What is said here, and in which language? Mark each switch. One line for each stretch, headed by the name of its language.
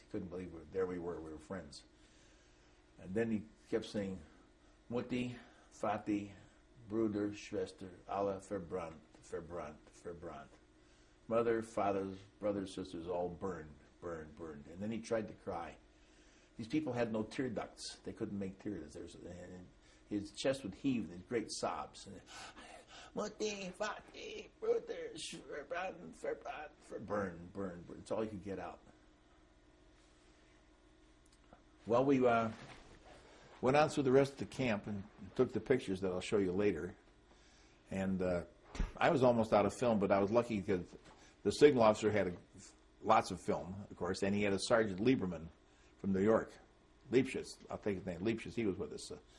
English: He couldn't believe we were friends. And then he kept saying,
German: "Mutti, Vati, Bruder, Schwester, alle verbrannt, verbrannt,
English: verbrannt. Mother, fathers, brothers, sisters, all burned, burned, burned." And then he tried to cry. These people had no tear ducts. They couldn't make tears. And his chest would heave, these great sobs.
German: "Mutti, Vati, Bruder, verbrannt, verbrannt, verbrannt,
English: burned, burned." It's all he could get out. Well, we went on through the rest of the camp and took the pictures that I'll show you later. And I was almost out of film, but I was lucky because the signal officer had lots of film, of course, and he had a Sergeant Lieberman from New York, Liebschitz. I'll take his name, Liebschitz. He was with us.